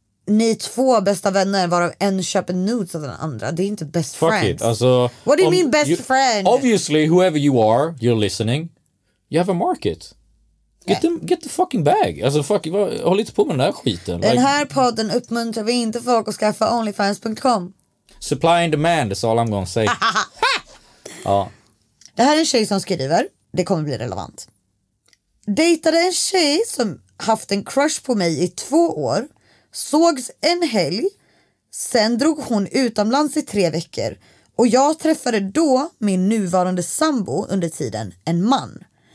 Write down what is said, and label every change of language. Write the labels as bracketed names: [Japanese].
[Swedish] Ni två bästa vänner, varav en köper nudes av den andra. Det är inte best [English] fuck friends. [Swedish] It. Alltså, [English] what do you mean best friend? Obviously, whoever you are, you're listening. You have a market. Get the fucking bag. [Swedish] Alltså, fuck, håll lite på med den här skiten. Den här podden uppmuntrar vi inte folk att skaffa onlyfans.com. [English] Supply and demand, that's all I'm gonna say. [Swedish] Ja. Det här är en tjej som skriver. Det kommer bli relevant. Dejtade en tjej som haft en crush på mig i 2 år. Sågs en helg. Sen drog hon utomlands i 3 veckor. Och jag träffade då min nuvarande sambo under tiden en man.